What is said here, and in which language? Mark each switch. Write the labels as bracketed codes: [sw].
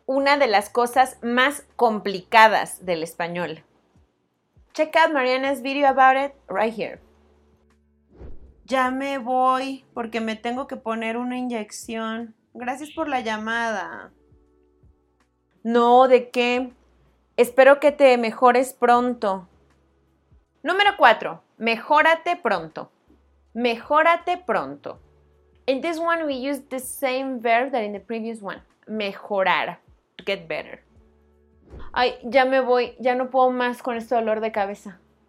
[es] Una de las cosas más complicadas del español. [en] Check out Mariana's video about it right here. [es] Ya me voy porque me tengo que poner una inyección. Gracias por la llamada. No, ¿de qué? Espero que te mejores pronto. Número 4. Mejórate pronto. Mejórate pronto. [en] In this one we use the same verb that in the previous one. Mejorar. To get better. [es] Ay, ya me voy. Ya no puedo más con este dolor de cabeza.